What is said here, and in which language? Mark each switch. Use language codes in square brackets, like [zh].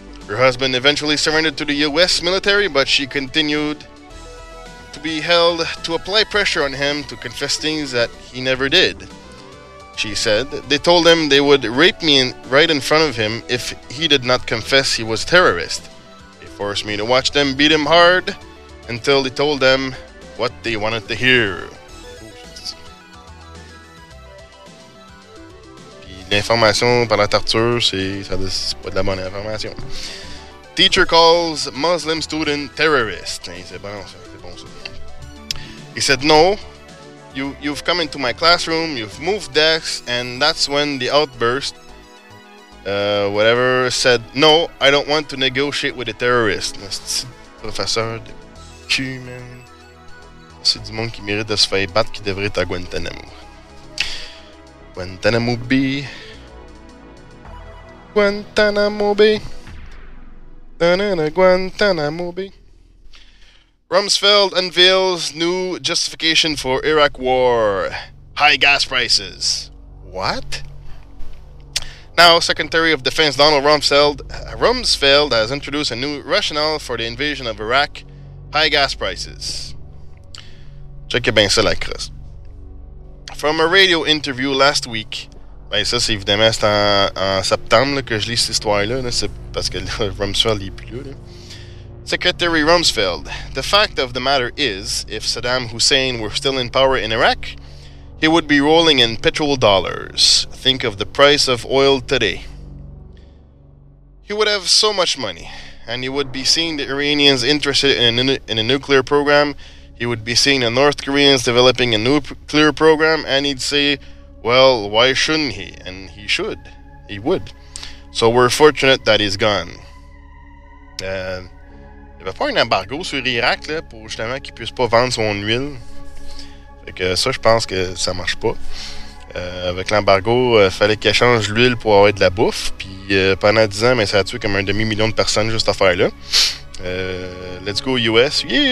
[en] Her husband eventually surrendered to the US military, but she continued to be held to apply pressure on him to confess things that he never did. She said, they told him they would rape me right in front of him if he did not confess he was a terrorist. They forced me to watch them beat him hard until they told them what they wanted to hear. [fr] L'information par la torture, c'est pas de la bonne information. [en] Teacher calls Muslim student terrorist. [fr] C'est bon ça. [en] He said, no, you've come into my classroom, you've moved desks, and that's when the outburst, said, no, I don't want to negotiate with a terrorist. [fr] Professeur de cul, man. C'est du monde qui mérite de se faire battre qui devrait être à Guantanamo. Guantanamo B. Guantanamo Bay. Da-na-na, Guantanamo Bay. [en] Rumsfeld unveils new justification for Iraq war. High gas prices. What? Now, Secretary of Defense Donald Rumsfeld has introduced a new rationale for the invasion of Iraq. High gas prices. Check it [fr] bien ça, la crosse. [en] From a radio interview last week, [fr] ben ça, c'est évidemment, c'est en septembre là, que je lis cette histoire-là. Là, c'est parce que là, Rumsfeld n'est plus là. [en] Secretary Rumsfeld, the fact of the matter is, if Saddam Hussein were still in power in Iraq, he would be rolling in petrol dollars. Think of the price of oil today. He would have so much money, and he would be seeing the Iranians interested in a nuclear program. He would be seeing the North Koreans developing a nuclear program, and he'd say, well, why shouldn't he? And he should. He would. So we're fortunate that he's gone. [fr] Il va faire un embargo sur l'Irak pour justement qu'il puisse pas vendre son huile. Fait que ça, je pense que ça marche pas. Avec l'embargo, fallait qu'il change l'huile pour avoir de la bouffe. Puis pendant 10 ans, ça a tué comme 500 000 de personnes juste à faire là. [en] Let's go US.